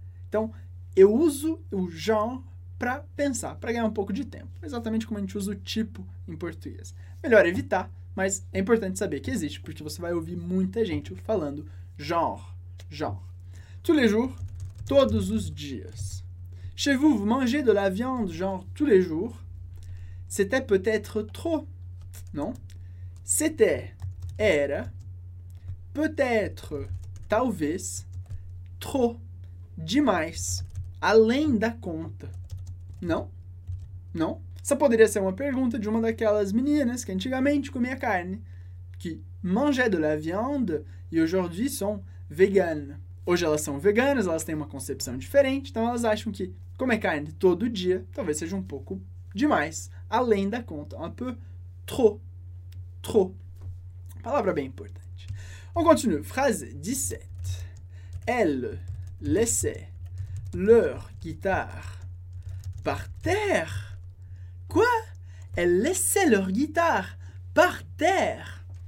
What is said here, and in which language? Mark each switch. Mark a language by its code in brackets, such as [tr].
[pt] Então, eu uso o genre para pensar, para ganhar um pouco de tempo. Exatamente como a gente usa o tipo em português. Melhor evitar, mas é importante saber que existe, porque você vai ouvir muita gente falando genre, genre. Tous les jours, todos os dias. [fr] Chez vous, vous mangez de la viande genre tous les jours? C'était peut-être trop, non? [pt] C'était, era, peut-être, talvez, trop, demais, além da conta. Não? Não? Essa poderia ser uma pergunta de uma daquelas meninas que antigamente comia carne, [fr] que mangeait de la viande [pt] e [fr] aujourd'hui sont véganes. [pt] Hoje elas são veganas, elas têm uma concepção diferente, então elas acham que comer carne todo dia talvez seja um pouco demais, além da conta, [fr] un peu trop. [pt] Trop. Palavra bem importante. [fr] On continue. Phrase 17. Elle laissait leur guitare par terre. Quoi? Elle laissait leur guitare par terre.